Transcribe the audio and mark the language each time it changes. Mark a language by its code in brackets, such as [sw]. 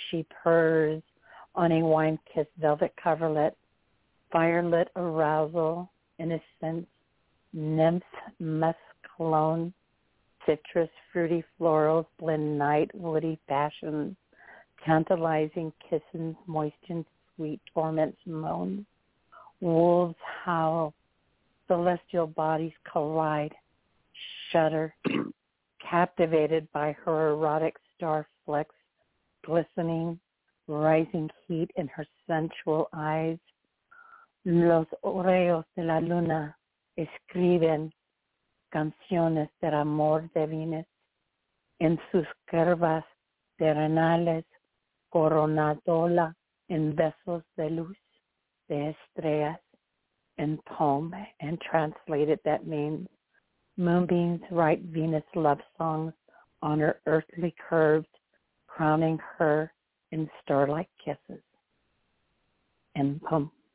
[en] She purrs on a wine-kissed velvet coverlet, firelit arousal, innocence, nymph, musk, cologne, citrus, fruity florals, blend night, woody passions, tantalizing kisses, moistened sweet torments, moan. Wolves howl, celestial bodies collide, shudder, captivated by her erotic star flecks, glistening, rising heat in her sensual eyes. [es] Los oreos de la luna escriben canciones del amor de Venus en sus curvas terrenales, coronándola en besos de luz de estrellas. [en] In poem, and translated, that means moonbeams write Venus love songs on her earthly curves, crowning her and star-like kisses. And pump.